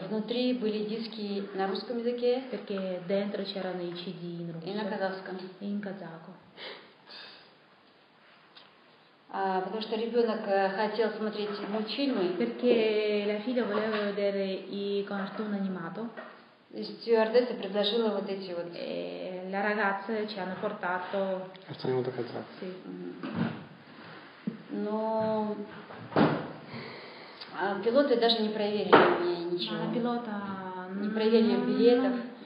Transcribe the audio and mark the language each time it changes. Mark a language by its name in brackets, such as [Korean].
[Russian] Внутри были диски на русском языке [Italian] perché dentro c'erano i CD in russo, [Russian] и на казахском. [Italian] И in kazako. [Russian] Потому что ребенок хотел смотреть мультфильмы. [Italian] Perché la figlia voleva vedere i cartoon animato. [Russian] И стюардесса предложила вот эти вот. [Italian] E la ragazza ci hanno portato. [Russian] Остановил до конца. [Italian] Sì. [Russian] Но пилоты даже не проверили мне ничего. Пилота не проверили билетов.